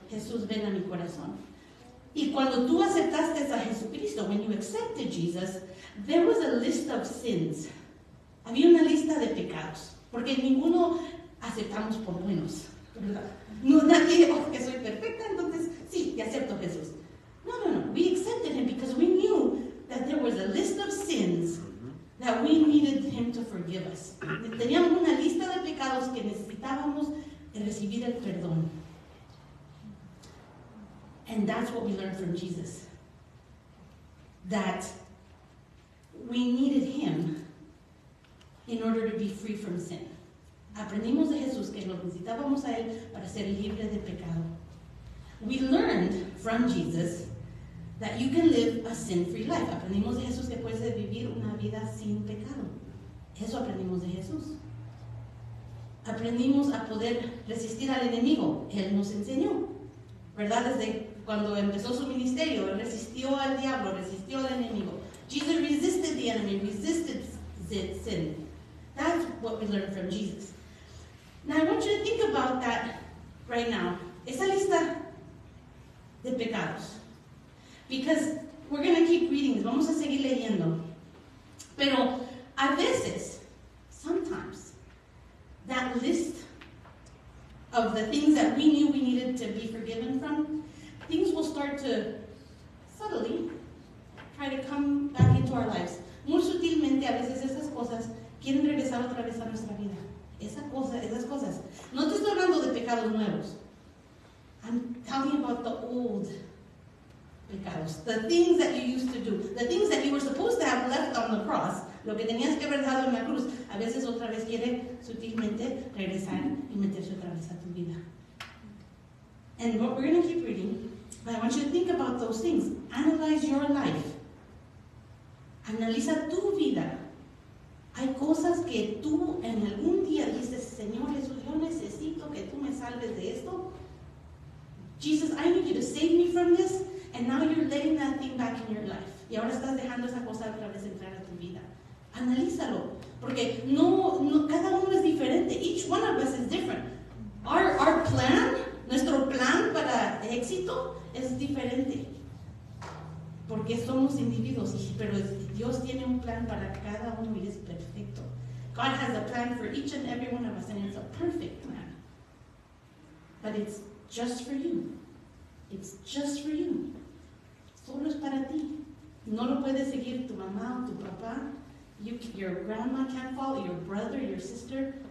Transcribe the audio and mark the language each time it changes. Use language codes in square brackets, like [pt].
[es] Jesús, ven a mi corazón. Y cuando tú aceptaste a Jesucristo, [en] when you accepted Jesus, there was a list of sins. [es] Había una lista de pecados. Porque ninguno aceptamos por buenos. No, nadie, oh, que soy perfecta, entonces sí, te acepto Jesús. No. [en] We accepted him because we knew that there was a list of sins that we needed him to forgive us. [es] Teníamos una lista de pecados que necesitábamos recibir el perdón. [en] And that's what we learned from Jesus. That we needed him in order to be free from sin. [es] Aprendimos de Jesús que lo necesitábamos a él para ser libre de pecado. [en] We learned from Jesus that you can live a sin-free life. [es] Aprendimos de Jesús que puedes vivir una vida sin pecado. Eso aprendimos de Jesús. Aprendimos a poder resistir al enemigo. Él nos enseñó, ¿verdad? Desde cuando empezó su ministerio, él resistió al diablo, resistió al enemigo. [en] Jesus resisted the enemy, resisted sin. That's what we learned from Jesus. Now I want you to think about that right now. [es] Esa lista de pecados. [en] Because we're going to keep reading. [es] Vamos a seguir leyendo. Pero a veces, [en] sometimes, that list of the things that we knew we needed to be forgiven from, things will start to subtly try to come back into our lives. [es] Muy sutilmente, a veces esas cosas quieren regresar otra vez a nuestra vida. Esas cosas. No te estoy hablando de pecados nuevos. [en] I'm talking about the old [es] pecados. [en] The things that you used to do, the things that you were supposed to have left on the cross, [es] lo que tenías que haber dejado en la cruz, a veces otra vez quiere sutilmente regresar y meterse otra vez a tu vida. [en] And what we're going to keep reading, but I want you to think about those things. Analyze your life. [es] Analiza tu vida. Hay cosas que tú en algún día dices, Señor Jesús, yo necesito que tú me salves de esto. [en] Jesus, I need you to save me from this. And now you're letting that thing back in your life. [es] Y ahora estás dejando esa cosa otra vez entrar a tu vida. Analízalo. Porque no cada uno es diferente. [en] Each one of us is different. Our plan, [es] nuestro plan para éxito, [en] es diferente. [es] Porque somos individuos, pero Dios tiene un plan para cada uno y es perfecto. [en] God has a plan for each and every one of us, and it's a perfect plan. But it's just for you. It's just for you. [es] Solo es para ti. No lo puede seguir tu mamá o tu papá. [en] Your grandma can't follow, your brother, your sister.